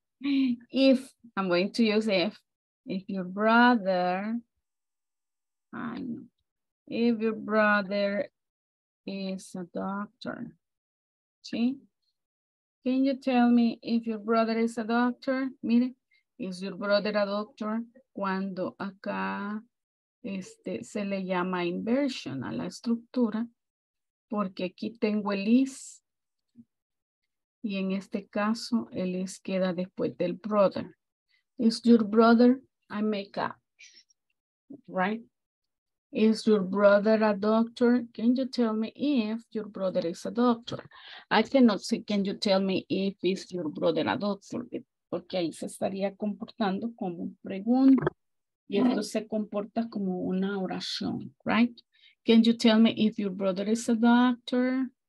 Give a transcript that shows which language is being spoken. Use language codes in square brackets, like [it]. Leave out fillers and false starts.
[en] If, I'm going to use if your brother, I know, if your brother is a doctor, see? Can you tell me if your brother is a doctor? Mire, is your brother a doctor? [es] Cuando acá se le llama inversion a la estructura, porque aquí tengo el is, y en este caso, el is queda después del brother. [en] Is your brother, I make up, right? Is your brother a doctor? Can you tell me if your brother is a doctor? I cannot say, can you tell me if is your brother a doctor? [es] Porque ahí se estaría comportando como pregunta. Y esto se comporta como una oración, right? [en] Can you tell me if your brother is a doctor?